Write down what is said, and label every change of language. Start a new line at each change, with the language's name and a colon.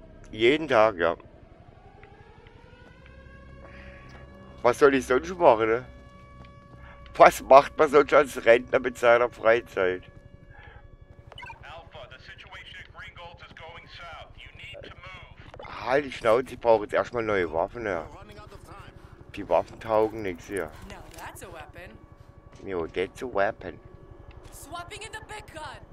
German: Jeden Tag, ja. Was soll ich sonst machen, ne? Was macht man sonst als Rentner mit seiner Freizeit?
English: Alpha, the situation at Green Gold is going south. You need to move.
German: Halt die Schnauze, ich brauche jetzt erstmal neue Waffen, ja. Die Waffen taugen nichts, ja.
English: Now that's a weapon. Jo, that's a weapon. Swapping in the big gun.